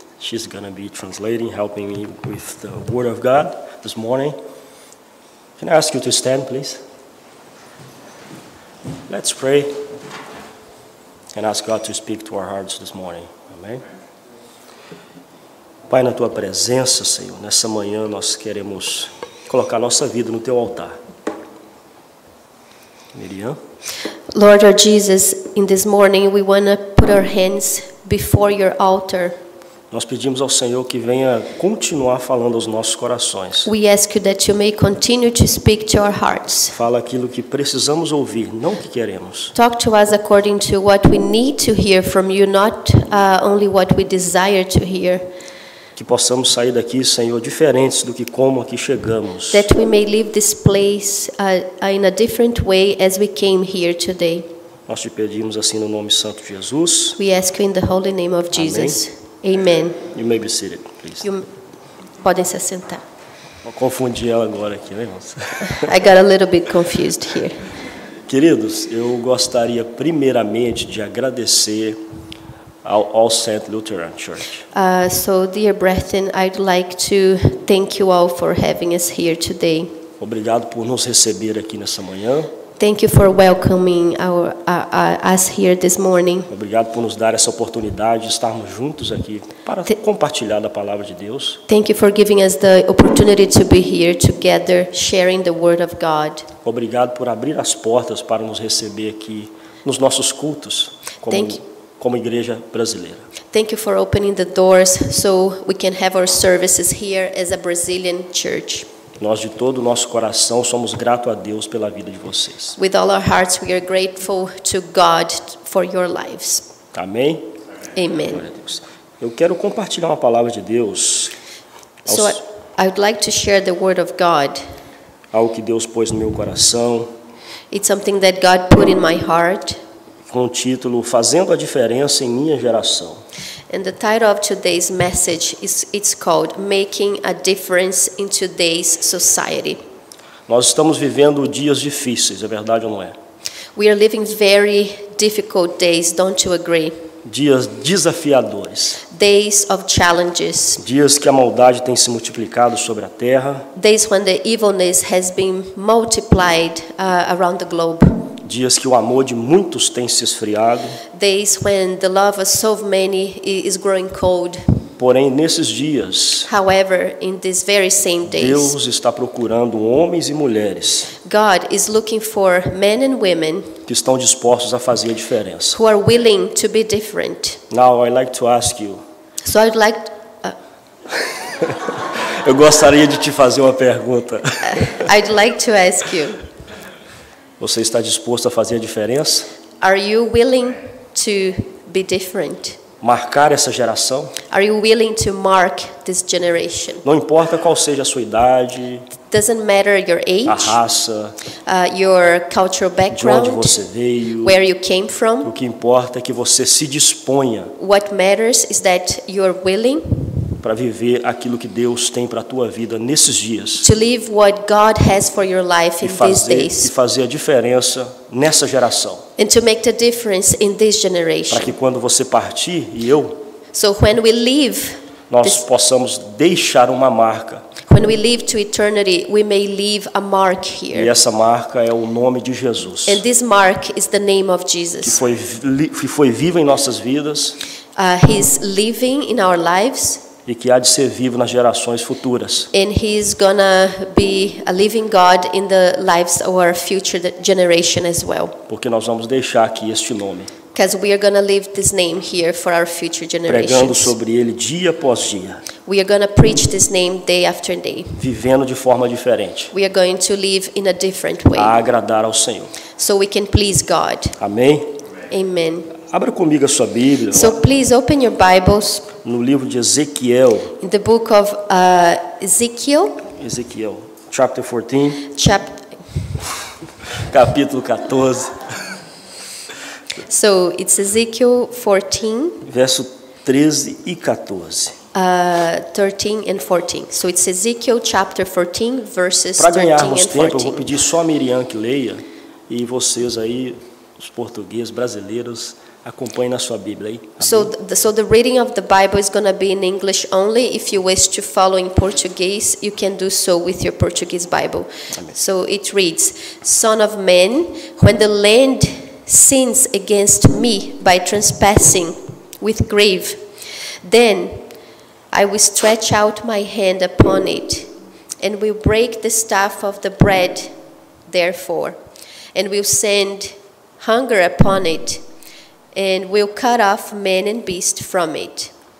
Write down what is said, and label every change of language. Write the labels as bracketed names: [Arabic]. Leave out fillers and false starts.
[English] She's going to be translating, helping me with the Word of God this morning. Can I ask you to stand, please? Let's pray and ask God to speak to our hearts this morning. [Portuguese] Amém? Pai, na Tua presença, Senhor, nessa manhã nós queremos colocar nossa vida no Teu altar. Miriam? [English] Lord, our Jesus, in this morning we want to put our hands before your altar. [Portuguese] Nós pedimos ao Senhor que venha continuar falando aos nossos corações. [English] We ask you that you may continue to speak to our hearts. [Portuguese] Fala aquilo que precisamos ouvir, não o que queremos. [English] Talk to us according to what we need to hear from you, not only what we desire to hear. [Portuguese] Que possamos sair daqui, Senhor, diferentes do que como aqui chegamos. [English] That we may leave this place in a different way as we came here today. [Portuguese] Nós te pedimos assim no nome santo de Jesus. [English] We ask you in the holy name of Jesus. [Portuguese] Amém. [English] Amen. You may be seated, please. You [Portuguese] podem se assentar. Vou confundir ela agora aqui, né, irmãos? [English] I got a little bit confused here. [Portuguese] Queridos, eu gostaria primeiramente de agradecer ao All Saint Lutheran Church. [English] So, dear brethren, I'd like to thank you all for having us here today. [Portuguese] Obrigado por nos receber aqui nessa manhã. [English] Thank you for welcoming us here this morning. [Portuguese] Obrigado por nos dar essa oportunidade de estarmos juntos aqui para compartilhar a palavra de Deus. [English] Thank you for giving us the opportunity to be here together, sharing the word of God. [Portuguese] Obrigado por abrir as portas para nos receber aqui nos nossos cultos como igreja brasileira. [English] Thank you for opening the doors so we can have our services here as a Brazilian church. [Portuguese] Nós, de todo o nosso coração, somos gratos a Deus pela vida de vocês. [English] With all our hearts, we are grateful to God for your lives. [Portuguese] Amém? [English] Amen. [Portuguese] Eu quero compartilhar uma palavra de Deus. [English] So, I would like to share the word of God. [Portuguese] Algo que Deus pôs no meu coração. [English] It's something that God put in my heart. [Portuguese] Com o título, Fazendo a Diferença em Minha Geração. [English] And the title of today's message it's called Making a Difference in Today's Society. [Portuguese] Nós estamos vivendo dias difíceis, é verdade ou não é? [English] We are living very difficult days, don't you agree? [Portuguese] Dias desafiadores. [English] Days of challenges. [Portuguese] Dias que a maldade tem se multiplicado sobre a terra. [English] Days when the evilness has been multiplied around the globe. [Portuguese] Dias que o amor de muitos tem se esfriado. [English] Days when the love of so many is growing cold. [Portuguese] Porém, nesses dias, [English] however, in these very same days, [Portuguese] Deus está procurando homens e mulheres. [English] God is looking for men and women [Portuguese] que estão dispostos a fazer a diferença. [English] Who are willing to be different. Now, I'd like to ask you. So I'd like [Portuguese] Eu gostaria de te fazer uma pergunta. [English] I'd like to ask you. [Portuguese] Você está disposto a fazer a diferença? [English] Are you willing to be different? [Portuguese] Marcar essa geração? [English] Are you willing to mark this generation? [Portuguese] Não importa qual seja a sua idade. [English] Doesn't matter your age. [Portuguese] A raça. [English] Your cultural background. [Portuguese] De onde você veio. [English] Where you came from. [Portuguese] O que importa é que você se disponha. [English] What matters is that you're willing [Portuguese] para viver aquilo que Deus tem para a tua vida nesses dias. [English] To live what God has for your life in these days. [Portuguese] E fazer a diferença nessa geração. [English] And to make the difference in this generation. [Portuguese] Para que quando você partir e eu, [English] so when we leave, [Portuguese] nós possamos deixar uma marca. [English] When we leave to eternity, we may leave a mark here. [Portuguese] E essa marca é o nome de Jesus. [English] And this mark is the name of Jesus. [Portuguese] Que foi vivo em nossas vidas. [English] He's living in our lives. [Portuguese] E que há de ser vivo nas gerações futuras. [English] And he's gonna be a living God in the lives of our future generation as well. [Portuguese] Porque nós vamos deixar aqui este nome. [English] Because we are gonna leave this name here for our future generations. [Portuguese] Pregando sobre ele dia após dia. [English] We are gonna preach this name day after day. [Portuguese] Vivendo de forma diferente. [English] We are going to live in a different way. [Portuguese] A agradar ao Senhor. [English] So we can please God. [Portuguese] Amém. [English] Amen. [Portuguese] Abra comigo a sua Bíblia. [English] So please open your Bibles. [Portuguese] No livro de Ezequiel. [English] In the book of Ezekiel. Ezequiel, chapter 14. [Portuguese] Capítulo 14. [English] So it's Ezekiel 14. [Portuguese] Verso 13 e 14. [English] 13 and 14. So it's Ezekiel chapter 14 verses 13 and [Portuguese] 14. Para ganharmos tempo, eu vou pedir só a Miriam que leia e vocês aí, os portugueses, brasileiros, Acompanhe na sua Bíblia aí. [English] So the reading of the Bible is going to be in English only. If you wish to follow in Portuguese, you can do so with your Portuguese Bible. Amém. So it reads, Son of man, when the land sins against me by trespassing with grave, then I will stretch out my hand upon it, and will break the staff of the bread, therefore, and will send hunger upon it, and will cut off man and beast from it.